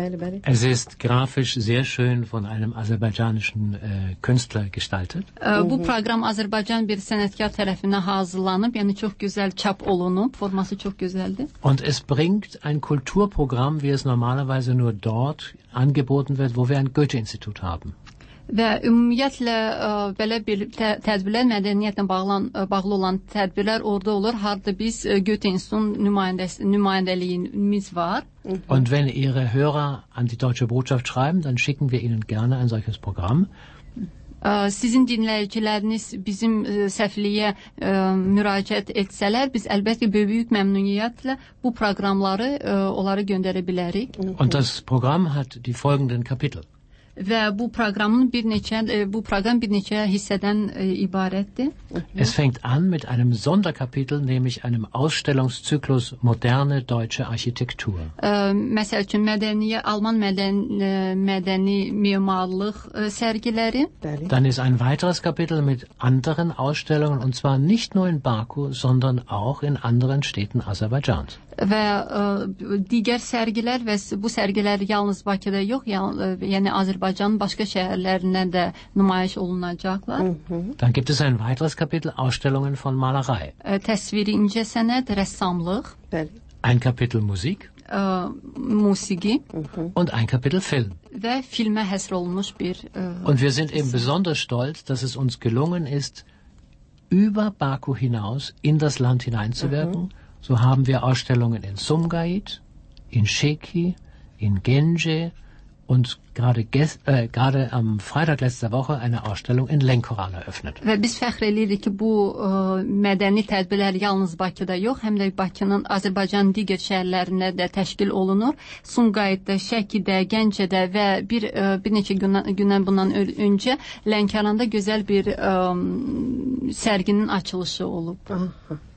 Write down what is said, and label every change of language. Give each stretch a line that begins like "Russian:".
Azerbaijani: Bəli, bəli.
German: Es ist grafisch sehr schön von einem aserbaidschanischen Künstler gestaltet.
Azerbaijani: Bu proqram Azərbaycan bir sənətkar tərəfindən hazırlanıb, yəni çox gözəl çap olunub, forması çox gözəldir.
German: Und es bringt ein Kulturprogramm, wie es normalerweise nur dort angeboten wird, wo wir ein Goethe-Institut haben.
Azerbaijani: Və ümumiyyətlə belə bir tədbirlər, mədəniyyətlə bağlı olan tədbirlər orada olur. Harada biz Goethe İnstitutun nümayəndəliyimiz var.
German: Und wenn Ihre Hörer an die Deutsche Botschaft schreiben, dann schicken wir Ihnen gerne ein solches Programm.
Azerbaijani: Sizin dinləyiciləriniz bizim səfirliyə müraciət etsələr, biz əlbəttə böyük məmnuniyyətlə bu proqramları onlara göndərə bilərik.
German: Und das Programm hat die folgenden Kapitel.
Azerbaijani: Və bu proqramın bir neçə hissədən ibarətdir.
German: Es fängt an mit einem Sonderkapitel, nämlich einem Ausstellungszyklus moderne deutsche Architektur.
Azerbaijani: Məsəl üçün Alman mədəni memarlıq sərgiləri. Bəli.
German: Dann ist ein weiteres Kapitel mit anderen Ausstellungen und zwar nicht nur in Baku, sondern auch in anderen Städten Aserbaidschans.
Azerbaijani: Və digər sərgilər və bu sərgilər yalnız Bakıda yox, yəni Azərbaycanın başqa şəhərlərindən də nümayiş olunacaqlar.
German: Dann gibt es ein weiteres Kapitel Ausstellungen von Malerei.
Azerbaijani: Təsviri incə sənət, rəssamlıq. Bəli.
German: Ein Kapitel Musik.
Azerbaijani: Musiki.
German: Und ein Kapitel Film.
Azerbaijani: Ve filme hasrolmuş bir,
German: und wir sind eben besonders stolz, dass es uns gelungen ist, über Baku hinaus in das Land hineinzuwirken. So haben wir Ausstellungen in Sumgait, in Şeki, in Gence und gerade am Freitag letzter Woche eine Ausstellung in Lenkoran eröffnet.
Azerbaijani: Ve biz fəxr edirik ki bu mədəni tədbirlər yalnız Bakıda yox, həm də Bakının Azərbaycan digər şəhərlərində də təşkil olunur. Sumqayıtda, Şəkidə, Gəncədə və bir neçə gündən bundan öncə Lənkəranda gözəl bir sərginin açılışı olub.